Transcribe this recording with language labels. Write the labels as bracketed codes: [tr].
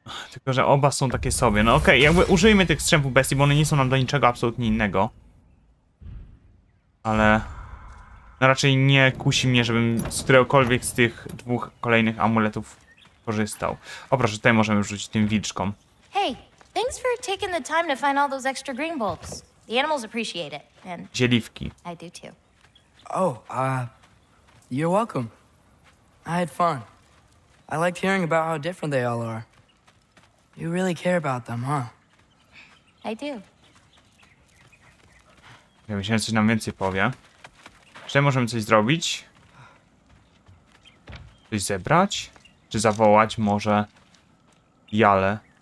[pl] Tylko, że oba są takie sobie. No okej, jakby użyjmy tych strzępów bestii, bo one nie są nam do niczego absolutnie innego. Ale... No raczej nie kusi mnie, żebym z któregokolwiek z tych dwóch kolejnych amuletów korzystał. O proszę, tutaj możemy rzucić tym wilczkom. [en] Hey, thanks for taking the time to find all those extra green bulbs. The animals appreciate it. And [pl] zielifki. [en] I do too. Oh, you're welcome. I had fun. I liked hearing about how different they all are. You really care about them, huh? I do. [pl] Ja myślę, że coś nam więcej powie. Czy możemy coś zrobić? Coś zebrać? Czy zawołać może Jale?